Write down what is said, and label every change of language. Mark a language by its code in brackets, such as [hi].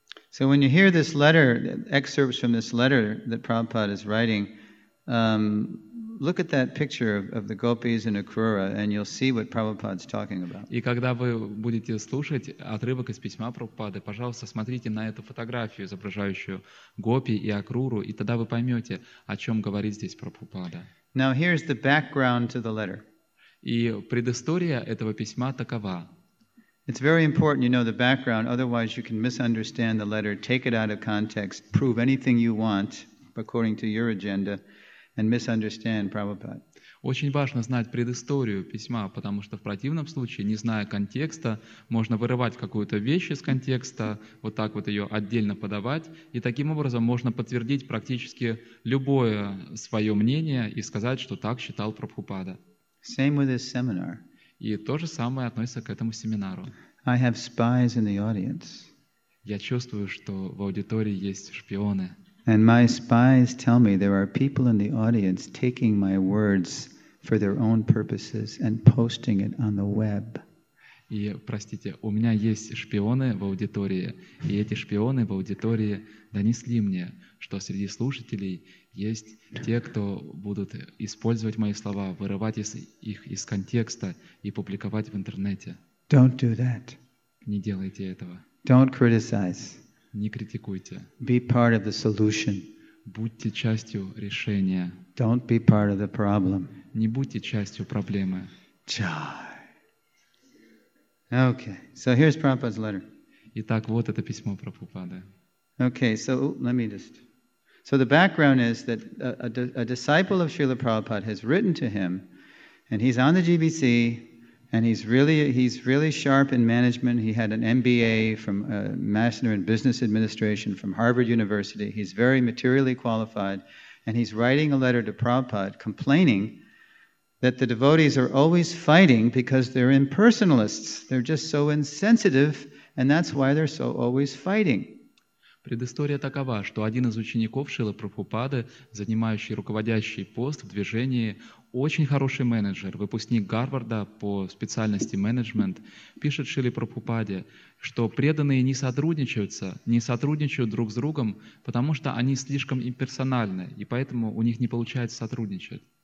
[en] So when you hear this letter, excerpts from this letter that Prabhupada is writing, look at that picture of the gopis and Akrura, and you'll see what Prabhupada's talking about. [ru] И когда вы будете слушать отрывок из письма Прабхупады, пожалуйста, смотрите на эту фотографию, изображающую гопи и Акруру, и тогда вы поймете, о чем говорит здесь Прабхупада. [en] Now here's the background to the letter. [ru] И предыстория этого письма такова. [en] It's very important you know the background, otherwise you can misunderstand the letter, take it out of context, prove anything you want according to your agenda. And misunderstand Prabhupada. [ru] Очень важно знать предысторию письма, потому что в противном случае, не зная контекста, можно вырывать какую-то вещь из контекста, вот так вот ее отдельно подавать, и таким образом можно подтвердить практически любое свое мнение и сказать, что так считал Прабхупада. [en] Same with this seminar. [ru] И то же самое относится к этому семинару. [en] I have spies in the audience. [ru] Я чувствую, что в аудитории есть шпионы. [en] And my spies tell me there are people in the audience taking my words for their own purposes and posting it on the web. [ru] И простите, у меня есть шпионы в аудитории, и эти шпионы в аудитории донесли мне, что среди слушателей есть те, кто будут использовать мои слова, вырывать их из контекста и публиковать в интернете. [en] Don't do that. [ru] Не делайте этого. [en] Don't criticize. [ru] Не критикуйте. [en] Be part of the solution. [ru] Будьте частью решения. [en] Don't be part of the problem. [ru] Не будьте частью проблемы. [en] Okay, so here's Prabhupada's letter. [ru] Итак, вот это письмо Прабхупады. [en] Okay, so let me just... So the background is that a disciple of Srila Prabhupada has written to him, and he's on the GBC, and he's really sharp in management. He had an MBA from a Master in Business Administration from Harvard University. He's very materially qualified, and he's writing a letter to Prabhupada complaining that the devotees are always fighting because they're impersonalists. They're just so insensitive, and that's why they're so always fighting. [ru] Предыстория такова, что один из учеников Шрилы Прабхупады, занимающий руководящий пост в движении, очень хороший менеджер, выпускник Гарварда по специальности менеджмент, пишет Шриле Прабхупаде, что преданные не сотрудничают друг с другом, потому что они слишком имперсональны, и поэтому у них не получается сотрудничать.